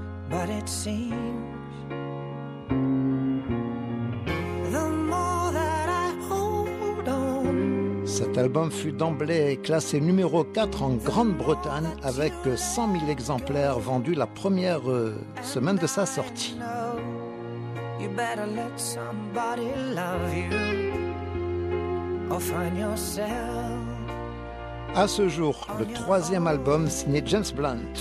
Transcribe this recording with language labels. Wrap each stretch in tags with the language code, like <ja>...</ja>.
<en>But it seems the more that I hold on.</en> <fr>Cet album fut d'emblée classé numéro 4 en Grande-Bretagne avec 100 000 exemplaires vendus la première semaine de sa sortie.</fr> <en>You better let somebody love you or find yourself.</en> <fr>À ce jour, le troisième album signé James Blunt.</fr>